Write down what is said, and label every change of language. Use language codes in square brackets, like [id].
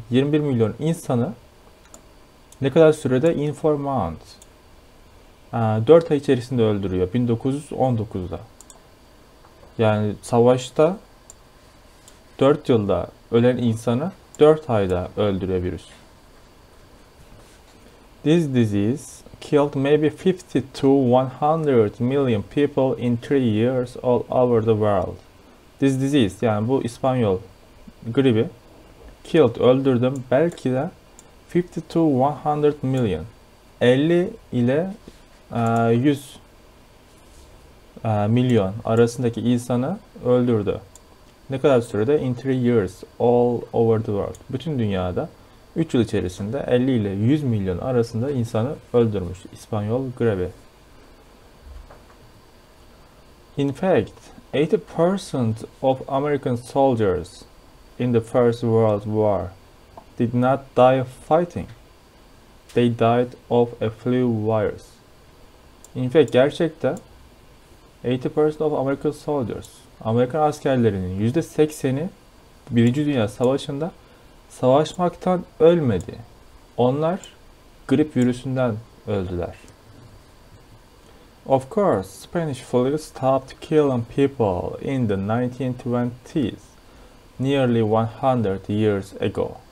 [tr] 21 milyon insanı ne kadar sürede? [en] In 4 months. [tr] 4 ay içerisinde öldürüyor. 1919'da. Yani savaşta 4 yılda ölen insanı 4 ayda öldürüyor virüs. [en] This disease killed maybe 50 to 100 million people in 3 years all over the world. This disease, [tr] yani bu İspanyol gribi, [en] killed, [tr] öldürdüm, belki de [en] 50 to 100 million, [tr] 50 ile 100 milyon arasındaki insanı öldürdü. Ne kadar sürede? [en] In 3 years all over the world, [tr] bütün dünyada. 3 yıl içerisinde 50 ile 100 milyon arasında insanı öldürmüş İspanyol gribi. [en] In fact, 80% of American soldiers in the First World War did not die fighting. They died of a flu virus. In fact, [tr] gerçekte [en] 80% of American soldiers, [tr] Amerikan askerlerinin %80'i Birinci Dünya Savaşı'nda savaşmaktan ölmedi. Onlar grip virüsünden öldüler. [en] Of course, Spanish flu stopped killing people in the 1920s, nearly 100 years ago.